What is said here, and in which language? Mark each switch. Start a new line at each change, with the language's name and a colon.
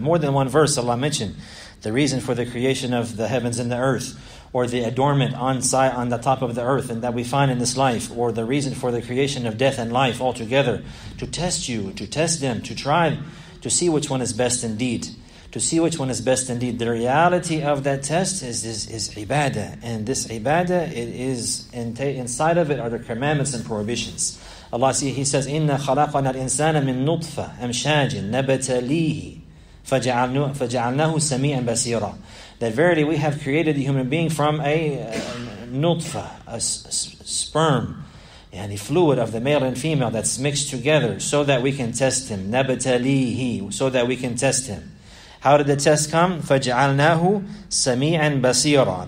English: More than one verse Allah mentioned the reason for the creation of the heavens and the earth, or the adornment on the top of the earth, and that we find in this life, or the reason for the creation of death and life altogether, to test you, to test them, to try to see which one is best indeed. To see which one is best indeed. The reality of that test is ibadah. And this ibadah, it is inside of it are the commandments and prohibitions. Allah see, He says,
Arabic: إِنَّا خَلَقَنَا الْإِنسَانَ مِن نُطْفَةٍ أَمْشَاجٍ نَبَتَ لِيهِ فَجَعَلْنَاهُ سَمِيعًا بَسِيرًا.
English: That verily we have created the human being from a nutfa, a sperm, and a fluid of the male and female that's mixed together so that we can test him. Nabatalihi, so that we can test him. How did the test come?
Arabic: فَجَعَلْنَاهُ سَمِيعًا بَصِيرًا.